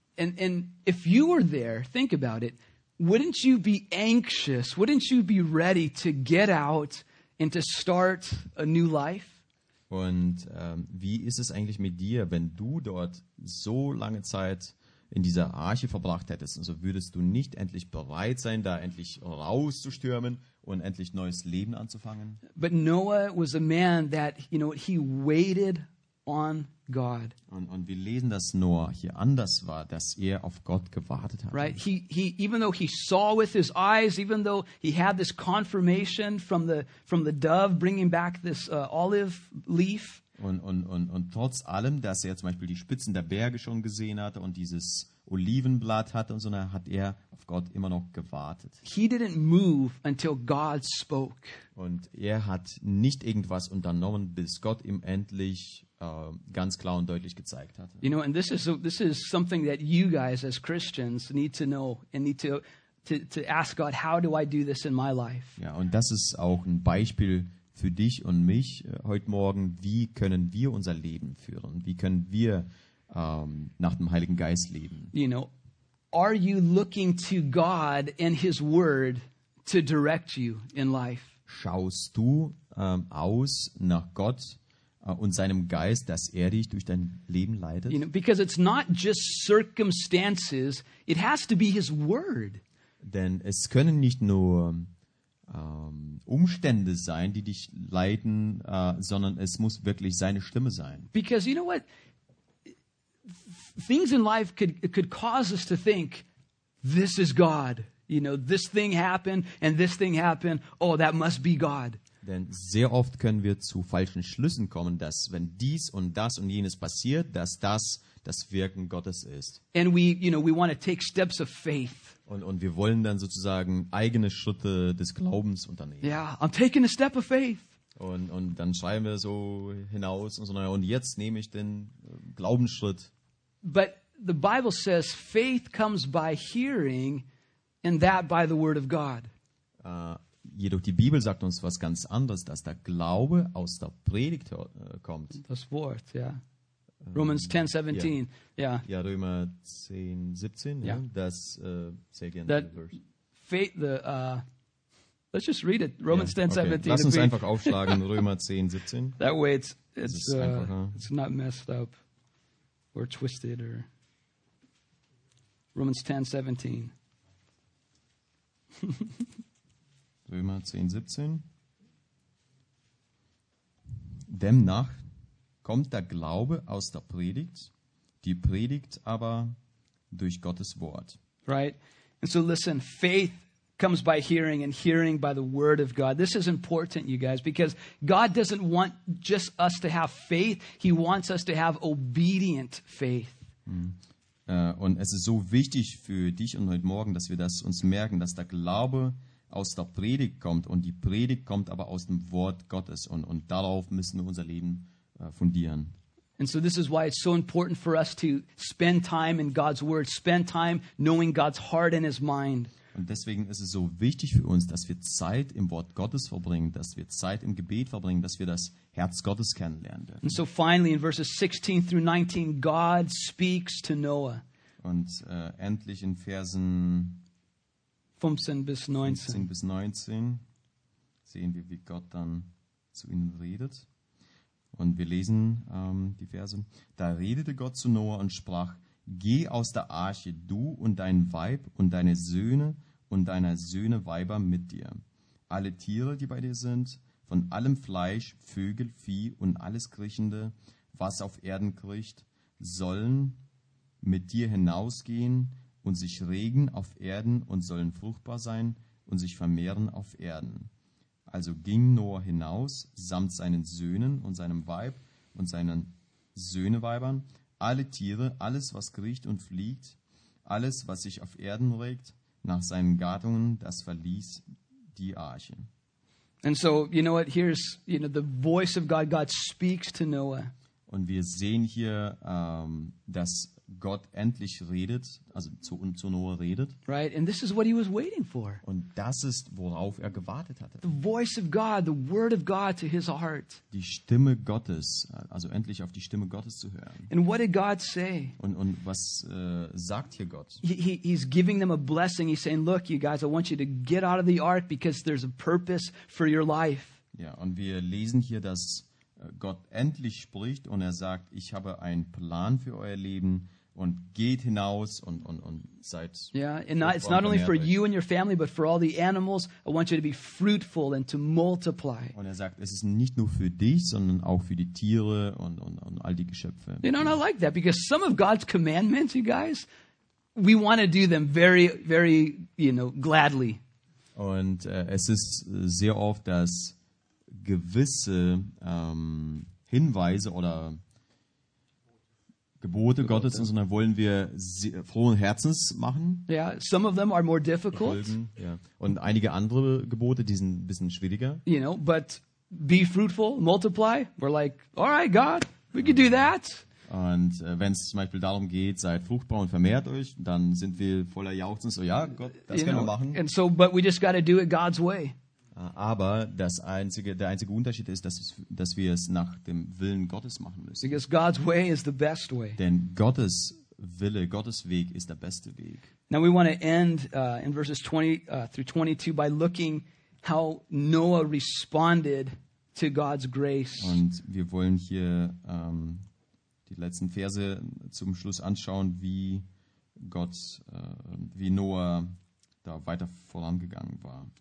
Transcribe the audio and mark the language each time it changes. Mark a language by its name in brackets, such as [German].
[English] And if you were there, think about it. Wouldn't you be anxious? Wouldn't you be ready to get out and to start a new life? [German] Und wie ist es eigentlich mit dir, wenn du dort so lange Zeit in dieser Arche verbracht hättest? Also würdest du nicht endlich bereit sein, da endlich rauszustürmen und endlich neues Leben anzufangen? [English] But Noah was a man that, you know, he waited on God. [German] Und wir lesen, dass Noah hier anders war, dass er auf Gott gewartet hat. [English] Right, he even though he saw with his eyes, even though he had this confirmation from the dove bringing back this olive leaf. [German] Und trotz allem, dass er zum Beispiel die Spitzen der Berge schon gesehen hatte und dieses Olivenblatt hatte und so, hat er auf Gott immer noch gewartet. [English] He didn't move until God spoke. [German] Und er hat nicht irgendwas unternommen, bis Gott ihm endlich ganz klar und deutlich gezeigt hatte. [English] You know, and this is something that you guys as Christians need to know and need to ask God, how do I do this in my life? [German] Ja, und das ist auch ein Beispiel für dich und mich heute Morgen. Wie können wir unser Leben führen? Wie können wir nach dem Heiligen Geist leben? [English] You know, are you looking to God and His Word to direct you in life? [German] Schaust du aus nach Gott und seinem Geist, dass er dich durch dein Leben leitet? [English] You know, because it's not just circumstances, it has to be His Word. [German] Denn es können nicht nur Umstände sein, die dich leiten, sondern es muss wirklich seine Stimme sein. [English] Because you know what? Things in life could cause us to think, this is God. You know, this thing happened and this thing happened. Oh, that must be God. [German] Denn sehr oft können wir zu falschen Schlüssen kommen, dass wenn dies und das und jenes passiert, dass das das Wirken Gottes ist. [English] And we, you know, we want to take steps of faith. [German] Und wir wollen dann sozusagen eigene Schritte des Glaubens unternehmen. [English] Yeah, I'm taking a step of faith. [German] Und dann schreiben wir so hinaus und so, naja, und jetzt nehme ich den Glaubensschritt. [English] But the Bible says faith comes by hearing, and that by the word of God. [German] jedoch die Bibel sagt uns was ganz anderes, dass der Glaube aus der Predigt kommt. Das Wort, ja. [English] Romans 10:17. [German] Ja, Römer 10:17, ja. Das [English] say again that the verse. Faith the let's just read it. Romans 10:17. [German] Okay. Lass uns einfach aufschlagen Römer 10:17. [English] That way it's not messed up or twisted or Romans 10:17. [German] Römer 10:17. Demnach kommt der Glaube aus der Predigt, die Predigt aber durch Gottes Wort. [English] Right. And so listen, faith comes by hearing and hearing by the word of God. This is important, you guys, because God doesn't want just us to have faith. He wants us to have obedient faith. Mm. [German] Und es ist so wichtig für dich und heute Morgen, dass wir das uns merken, dass der Glaube aus der Predigt kommt und die Predigt kommt aber aus dem Wort Gottes. Und darauf müssen wir unser Leben fundieren. [English] And so this is why it's so important for us to spend time in God's word, spend time knowing God's heart and his mind. [German] Und deswegen ist es so wichtig für uns, dass wir Zeit im Wort Gottes verbringen, dass wir Zeit im Gebet verbringen, dass wir das Herz Gottes kennenlernen. [English] And so finally in verses 16 through 19 God speaks to Noah. [German] Und endlich in Versen 15 bis 19 sehen wir, wie Gott dann zu ihnen redet. Und wir lesen die Verse. Da redete Gott zu Noah und sprach: Geh aus der Arche, du und dein Weib und deine Söhne und deiner Söhne Weiber mit dir. Alle Tiere, die bei dir sind, von allem Fleisch, Vögel, Vieh und alles Kriechende, was auf Erden kriecht, sollen mit dir hinausgehen und sich regen auf Erden und sollen fruchtbar sein und sich vermehren auf Erden. Also ging Noah hinaus, samt seinen Söhnen und seinem Weib und seinen Söhneweibern, alle Tiere, alles, was kriecht und fliegt, alles, was sich auf Erden regt, nach seinen Gattungen, das verließ die Arche. [English] And so, you know what, here's, you know, the voice of God, God speaks to Noah. [German] Und wir sehen hier, dass Gott endlich redet, also zu Noah redet. [English] Right, and this is what he was waiting for. [German] Und das ist, worauf er gewartet hatte. [English] The voice of God, the word of God to his heart. [German] Die Stimme Gottes, also endlich auf die Stimme Gottes zu hören. [English] And what did God say? [German] Und was sagt hier Gott? [English] He's giving them a blessing. He's saying, look, you guys, I want you to get out of the ark because there's a purpose for your life. [German] Ja, und wir lesen hier, dass Gott endlich spricht und er sagt, ich habe einen Plan für euer Leben und geht hinaus und seid. [English] Yeah, and not, it's not only for you and your family, but for all the animals. I want you to be fruitful and to multiply. [German] Und er sagt, es ist nicht nur für dich, sondern auch für die Tiere und all die Geschöpfe. [English] You know, and I like that because some of God's commandments, you guys, we want to do them very, very, you know, gladly. [German] Und es ist sehr oft, dass gewisse Hinweise oder Gebote Gottes und so, dann wollen wir frohen Herzens machen. [English] Yeah, some of them are more difficult. [German] Ja. Und einige andere Gebote, die sind ein bisschen schwieriger. [English] You know, but be fruitful, multiply. We're like, all right, God, we can do that. [German] Und wenn es zum Beispiel darum geht, seid fruchtbar und vermehrt euch, dann sind wir voller Jauchzen, so ja, Gott, das können wir machen. [English] And so, but we just got to do it God's way. [German] Aber der einzige Unterschied ist, dass wir es nach dem Willen Gottes machen müssen. [English] Because God's way is the best way. [German] Denn Gottes Wille, Gottes Weg ist der beste Weg. [English] Now we want to end in verses 20 through 22 by looking how Noah responded to God's grace. [German] Und wir wollen hier die letzten Verse zum Schluss anschauen, wie Gott, wie Noah da weiter vorangegangen war.